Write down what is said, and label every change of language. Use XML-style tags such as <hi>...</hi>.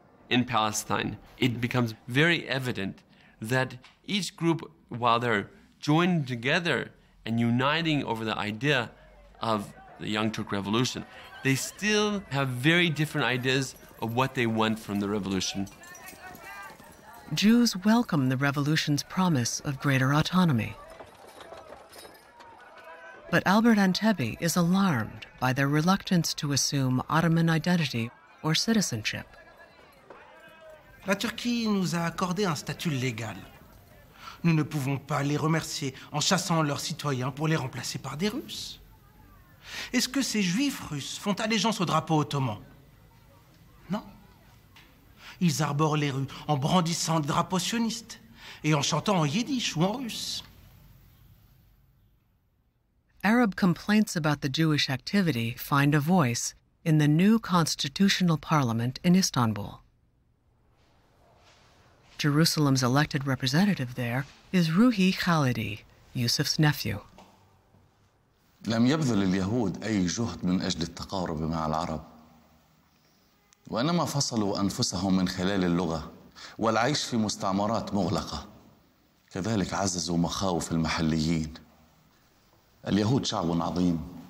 <en>in Palestine, it becomes very evident that each group, while they're joined together and uniting over the idea of the Young Turk Revolution, they still have very different ideas of what they want from the revolution. Jews welcome the revolution's promise of greater autonomy. But Albert Entebbe is alarmed by their reluctance to assume Ottoman identity or citizenship.</en> <fr>La Turquie nous a accordé un statut légal. Nous ne pouvons pas les remercier en chassant leurs citoyens pour les remplacer par des Russes. Est-ce que ces Juifs russes font allégeance au drapeau ottoman? Non. Ils arborent les rues en brandissant des drapeaux sionistes et en chantant en yiddish ou en russe.</fr> <en>Arab complaints about the Jewish activity find a voice in the new constitutional parliament in Istanbul. Jerusalem's elected representative there is Ruhi Khalidi, Yusuf's nephew.</en> <ar>لم يبذل اليهود أي جهد من أجل التقارب مع العرب. وإنما فصلوا أنفسهم من خلال اللغة والعيش في مستعمرات مغلقة. كذلك عززوا مخاوف المحليين. اليهود شعب عظيم.</ar>